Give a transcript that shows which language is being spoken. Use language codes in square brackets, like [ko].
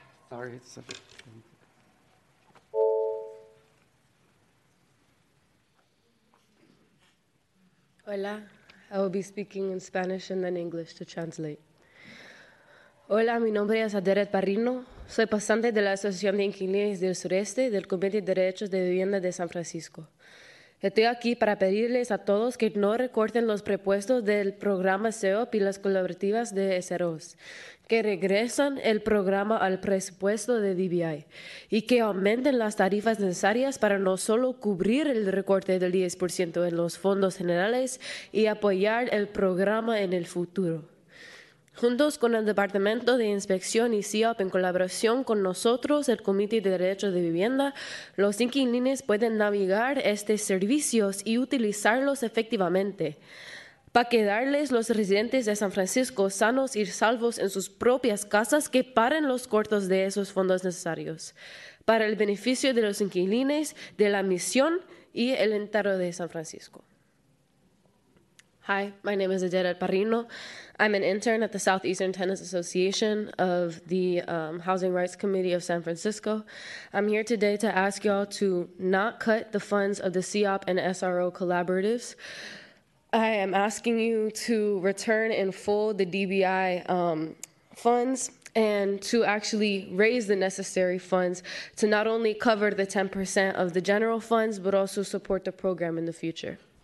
[en] Sorry, it's a bit. [es] Hola, [en] I will be speaking in Spanish and then English to translate. [es] Hola, mi nombre es Adelet Barrino. Soy pasante de la Asociación de Inquilinos del Sureste del Comité de Derechos de Vivienda de San Francisco. Estoy aquí para pedirles a todos que no recorten los presupuestos del programa SEOP y las colaborativas de SROs, que regresen el programa al presupuesto de DBI y que aumenten las tarifas necesarias para no solo cubrir el recorte del 10% en los fondos generales y apoyar el programa en el futuro. Juntos con el Departamento de Inspección y SIOP, en colaboración con nosotros, el Comité de Derechos de Vivienda, los inquilinos pueden navegar estos servicios y utilizarlos efectivamente para quedarles los residentes de San Francisco sanos y salvos en sus propias casas, que paren los cortos de esos fondos necesarios para el beneficio de los inquilinos, de la misión y el entero de San Francisco. [en] Hi, my name is Adela Parrino. I'm an intern at the Southeastern Tenants Association of the Housing Rights Committee of San Francisco. I'm here today to ask y'all to not cut the funds of the CEOP and SRO collaboratives. I am asking you to return in full the DBI funds and to actually raise the necessary funds to not only cover the 10% of the general funds, but also support the program in the future.